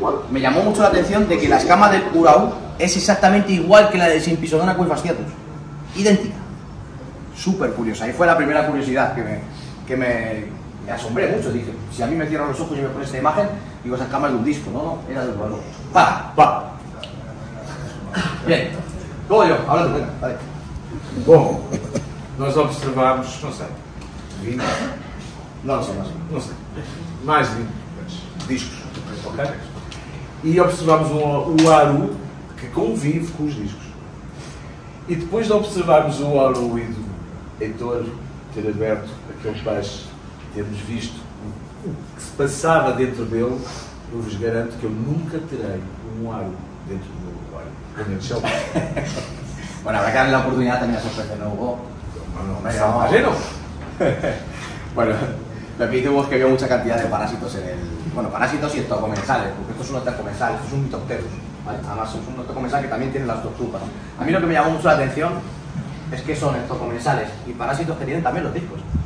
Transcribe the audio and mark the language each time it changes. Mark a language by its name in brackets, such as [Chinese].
[Spanish] Me llamó mucho la atención de que la escama del Huarú es exactamente igual que la del Sympisodona quifasciatus. Idéntica. Súper curiosa. Ahí fue la primera curiosidad que me asombré mucho. Dije, si a mí me cierran los ojos y me pones esta imagen, digo, esa escama es de un disco, ¿no? Era del Huarú. ¡Pa! ¡Pa! Bien, Olha, ahora tu venga, vale. [Portuguese] Bom, nós observámos, não sei, 20? Não, não sei mais. Não sei. Mais 20 discos. Ok? E observámos o Aru, que convive com os discos. E depois de observarmos o Aru e do Heitor ter aberto aquele peixe, termos visto o que se passava dentro dele, eu vos garanto que eu nunca terei um Aru dentro do meu olho. Quando ele chama. [Spanish] Bueno, habrá que darle la oportunidad también a su jefe, ¿no, Hugo? Bueno, me ha llegado lleno. Bueno, repite vos que había mucha cantidad de parásitos en el... Bueno, parásitos y ectocomensales, porque esto es un ectocomensal, esto es un mitopterus, ¿vale? Además, es un ectocomensal que también tiene las dos tupas. A mí lo que me llamó mucho la atención es que son ectocomensales y parásitos que tienen también los discos.